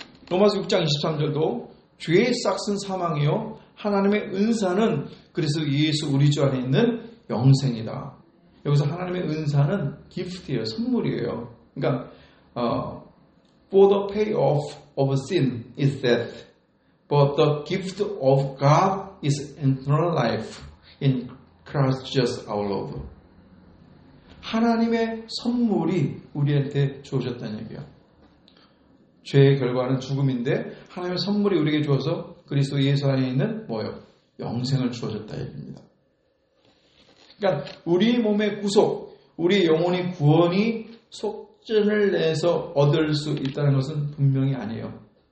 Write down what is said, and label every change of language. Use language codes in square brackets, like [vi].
[ko] 로마서 6장 23절도 죄의 싹은 사망이요 하나님의 은사는 그리스도 예수 우리 주 안에 있는 영생이다. 여기서 하나님의 은사는 기프트예요. 선물이에요. 그러니까 [en] For the payoff of sin is death, but the gift of God is eternal life in Christ Jesus our Lord. [ko] 하나님의 선물이 우리한테 주어졌다는 얘기야. 죄의 결과는 죽음인데 하나님의 선물이 우리에게 주어서 그리스도 예수 안에 있는 뭐요? 영생을 주어졌다 얘기입니다. 그러니까 우리 몸의 구속, 우리 영혼의 구원이 속전을 내서 얻을 수 있다는 것은 분명히 아니에요.